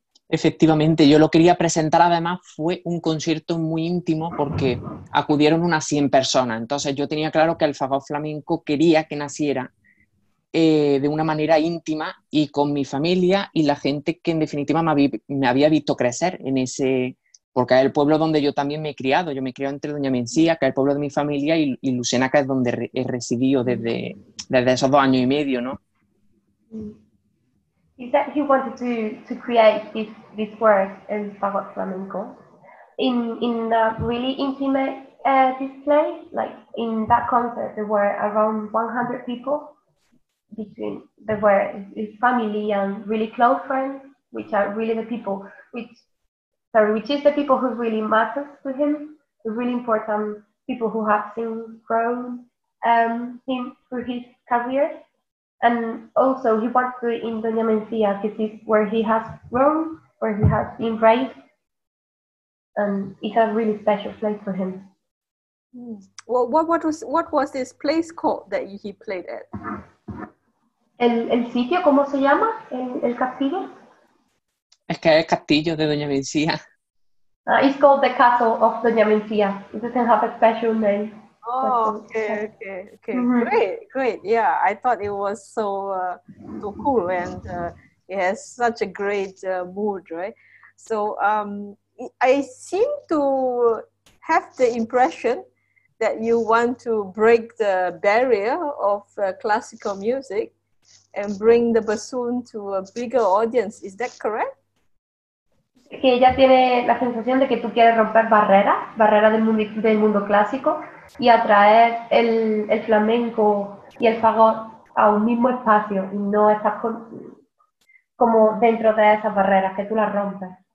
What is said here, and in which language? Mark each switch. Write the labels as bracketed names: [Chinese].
[Spanish] Efectivamente, yo lo quería presentar, además fue un concierto muy íntimo porque acudieron unas 100 personas, entonces yo tenía claro que el Fagot Flamenco quería que naciera de una manera íntima y con mi familia y la gente que en definitiva me había visto crecer en ese, porque es el pueblo donde yo también me he criado, yo me he criado entre Doña Mencía, que es el pueblo de mi familia, y Lucena, que es donde he residido desde esos 2 años y medio, ¿no? [English] Is that he wanted to create this work as Fagot Flamenco in a really intimate display? Like in that concert, there were around 100 people between, there were his family and really close friends, which are really the people, which is the people who really matter to him, the really important people who have seen grown him through his career. And also he wants to in Doña Mencía, this is where he has grown, where he has been raised, and it's a really special place for him. What was this place called that he played at? [Spanish] El sitio, ¿cómo se llama? El castillo. Es que es el castillo de Doña Mencía. [English] It's called the castle of Doña Mencía. It doesn't have a special name. Okay. Mm-hmm. Great. Yeah, I thought it was so cool, and it has such a great mood, right? So I seem to have the impression that you want to break the barrier of classical music and bring the bassoon to a bigger audience. Is that correct? [Spanish] Que ella tiene la sensación de que tú quieres romper barreras del mundo clásico y atraer el flamenco y el fagot a un mismo espacio y no estás como dentro de esas barreras, que tú las rompes.